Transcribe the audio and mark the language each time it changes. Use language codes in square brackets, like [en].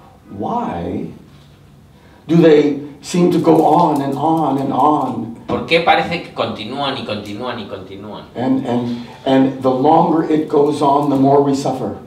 [en] Why do they seem to go on and on and on? [es] ¿Por qué parece que continúan y continúan y continúan? [en] And the longer it goes on, the more we suffer.